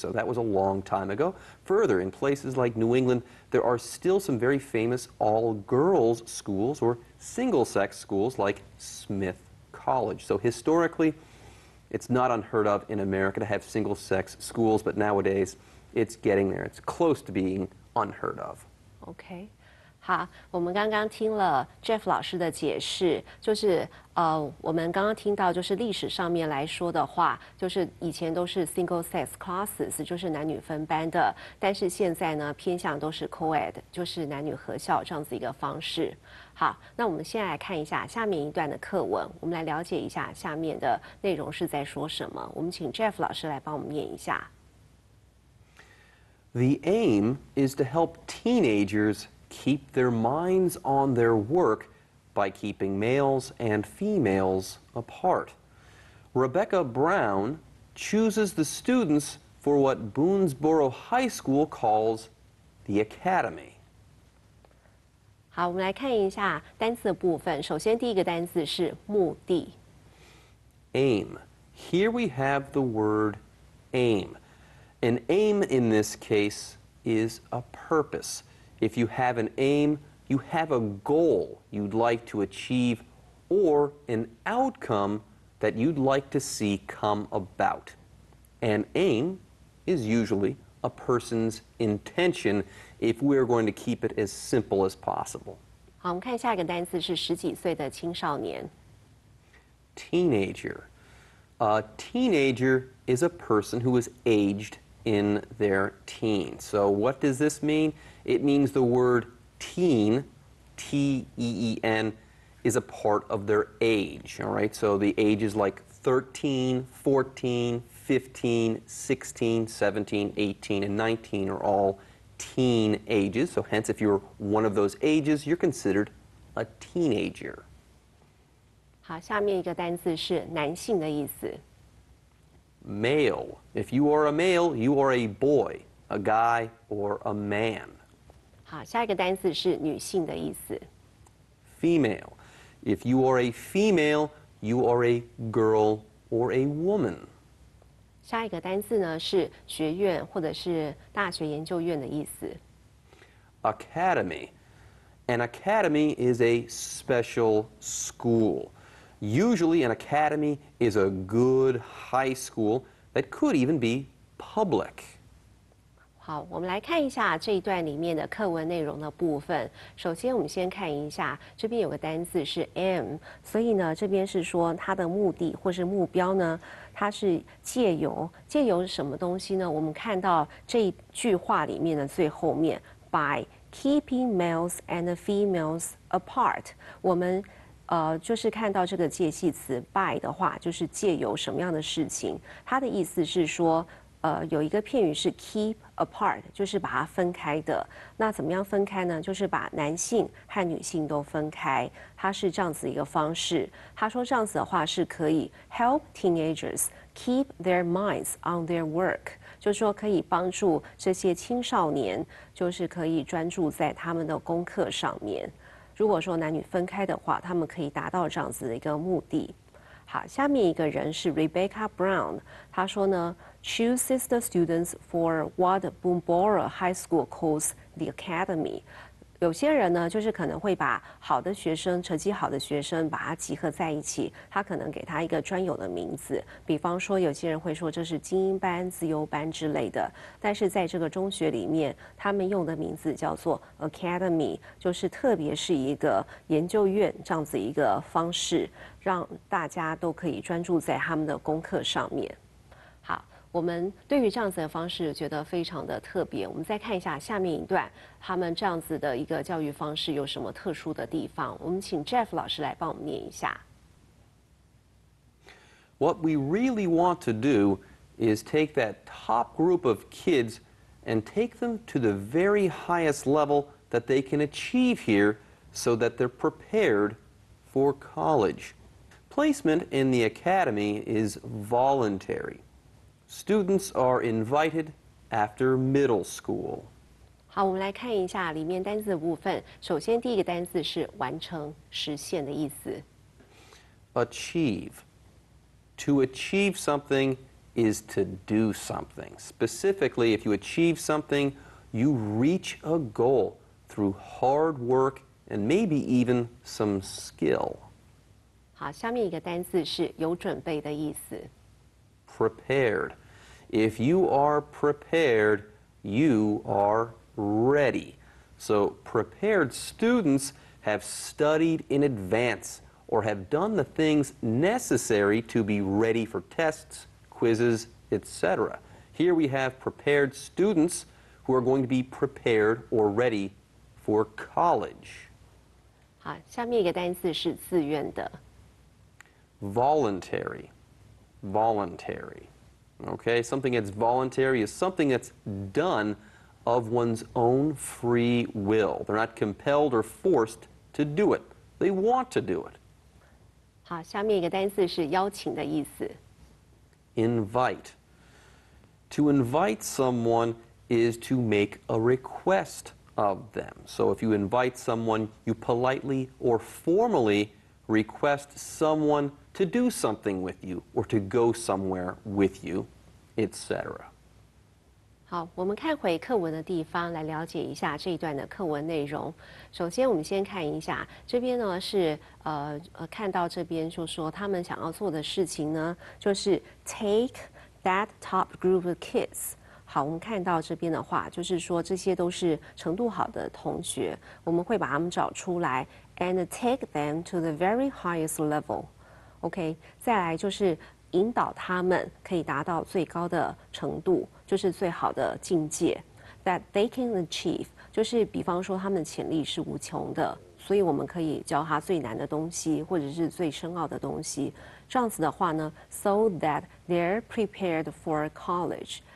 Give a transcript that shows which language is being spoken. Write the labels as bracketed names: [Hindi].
[English] So that was a long time ago. Further, in places like New England, there are still some very famous all-girls schools or single-sex schools like Smith College. So historically,it's not unheard of in America to have single-sex schools, but nowadays it's getting there. It's close to being unheard of. Okay. [Chinese] 好，我们刚刚听了 Jeff 老师的解释，就是我们刚刚听到就是历史上面来说的话，就是以前都是 [English] single-sex classes， [Chinese] 就是男女分班的，但是现在呢偏向都是 co-ed， 就是男女合校这样子一个方式。好，那我们先来看一下下面一段的课文，我们来了解一下下面的内容是在说什么。我们请 Jeff 老师来帮我们念一下。 [English] The aim is to help teenagers keep their minds on their work by keeping males and females apart. Rebecca Brown chooses the students for what Boonesboro High School calls the academy. [Chinese] 好，我们来看一下单词的部分。首先第一个单词是目的。 [English] Aim. Here we have the word aim. An aim in this case is a purpose. If you have an aim, you have a goal you'd like to achieve or an outcome that you'd like to see come about. An aim is usually a person's intention. If we're going to keep it as simple as possible. [Chinese] 好，我们看下一个单词是十几岁的青少年。 [English] Teenager. A teenager is a person who is aged in their teens. So what does this mean? It means the word teen, T-E-E-N, is a part of their age. All right, so the age is like 13, 14, 15, 16, 17, 18, and 19 are all teen ages, so hence if you're one of those ages, you're considered a teenager. [Chinese] 好，下面一个单词是男性的意思。 [English] Male. If you are a male, you are a boy, a guy, or a man. [Chinese] 好，下一个单词是女性的意思。 [English] Female. If you are a female, you are a girl or a woman. [Chinese] 下一个单字呢是学院或者是大学研究院的意思。 [English] Academy. An academy is a special school. Usually an academy is a good high school that could even be public. [Chinese] 好，我们来看一下这一段里面的课文内容的部分。首先，我们先看一下这边有个单字是 aim， 所以呢，这边是说它的目的或是目标呢，它是借由什么东西呢？我们看到这一句话里面的最后面 ， [English] by keeping males and females apart， [Chinese] 我们。就是看到这个介系词 by 的话，就是借由什么样的事情，它的意思是说，有一个片语是 [English] keep apart， [Chinese] 就是把它分开的。那怎么样分开呢？就是把男性和女性都分开，它是这样子一个方式。他说这样子的话是可以 [English] help teenagers keep their minds on their work， [Chinese] 就是说可以帮助这些青少年，就是可以专注在他们的功课上面。如果说男女分开的话，他们可以达到这样子的一个目的。好，下面一个人是 Rebecca Brown， 他说呢 ， [English] chooses the students for what Boonboro High School calls the academy。 [Chinese] 有些人呢，就是可能会把好的学生、成绩好的学生把它集合在一起，他可能给他一个专有的名字。比方说，有些人会说这是精英班、自由班之类的。但是在这个中学里面，他们用的名字叫做 academy， 就是特别是一个研究院这样子一个方式，让大家都可以专注在他们的功课上面。我们对于这样子的方式觉得非常的特别。我们再看一下下面一段，他们这样子的一个教育方式有什么特殊的地方？我们请 Jeff 老师来帮我们念一下。 [English] What we really want to do is take that top group of kids and take them to the very highest level that they can achieve here so that they're prepared for college. Placement in the academy is voluntary. Students are invited after middle school. [Chinese] 好，我们来看一下里面单字的部分。首先，第一个单字是完成、实现的意思。 [English] Achieve. To achieve something is to do something. Specifically, if you achieve something, you reach a goal through hard work and maybe even some skill. [Chinese] 好，下面一个单字是有准备的意思。 [English] Prepared. If you are prepared, you are ready. So prepared students have studied in advance or have done the things necessary to be ready for tests, quizzes, etc. Here we have prepared students who are going to be prepared or ready for college. [Chinese] 好，下面一个单词是自愿的。 [English] Voluntary. Voluntary. Okay, something that's voluntary is something that's done of one's own free will. They're not compelled or forced to do it. They want to do it. 好，下面一个单词是邀请的意思。 Invite. To invite someone is to make a request of them. So if you invite someone, you politely or formally request someone to do something with you or to go somewhere with you. Etc. [Chinese] 好，我们看回课文的地方，来了解一下这一段的课文内容。首先，我们先看一下这边呢是看到这边就说他们想要做的事情呢，就是 [English] take that top group of kids。 [Chinese] 好，我们看到这边的话，就是说这些都是程度好的同学，我们会把他们找出来 [English] and take them to the very highest level. [Chinese] OK， 再来就是。引导他们可以达到最高的程度，就是最好的境界。 [English] That they can achieve， [Chinese] 就是比方说他们的潜力是无穷的，所以我们可以教他最难的东西，或者是最深奥的东西。这样子的话呢 [English] ，so that they're prepared for college。